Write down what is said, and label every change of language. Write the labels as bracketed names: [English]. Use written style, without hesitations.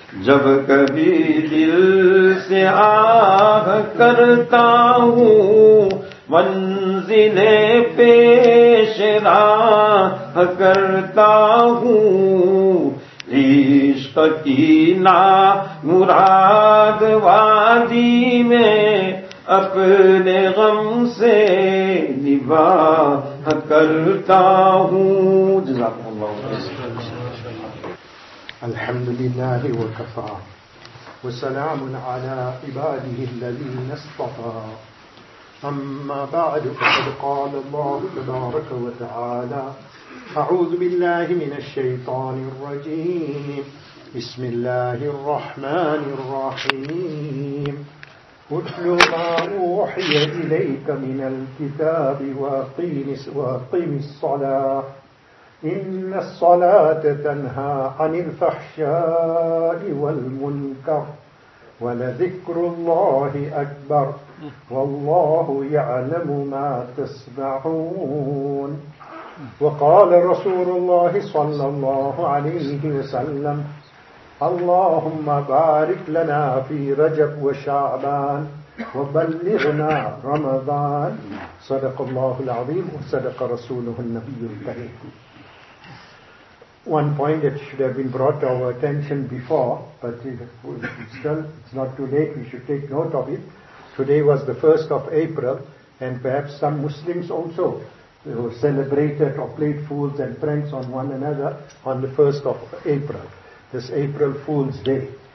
[Urdu] جب کبھی دل سے آہ کرتا ہوں, منزلے پیش راہ کرتا ہوں, عشق کی نا مراد وادی میں اپنے غم سے نباہ کرتا ہوں. جزاکم اللہ خیر. [Arabic] الحمد لله وكفى وسلام على عباده الذين اصطفى, أما بعد فقد قال الله تبارك وتعالى, أعوذ بالله من الشيطان الرجيم, بسم الله الرحمن الرحيم. اتل ما أوحي إليك من الكتاب وأقم الصلاة إن الصلاة تنهى عن الفحشاء والمنكر ولذكر الله أكبر والله يعلم ما تصنعون. وقال رسول الله صلى الله عليه وسلم, اللهم بارك لنا في رجب وشعبان وبلغنا رمضان. صدق الله العظيم وصدق رسوله النبي الكريم. [English] One point that should have been brought to our attention before, but still it's not too late, we should take note of it. Today was the 1st of April, and perhaps some Muslims also celebrated or played fools and pranks on one another on the 1st of April, this April Fool's Day.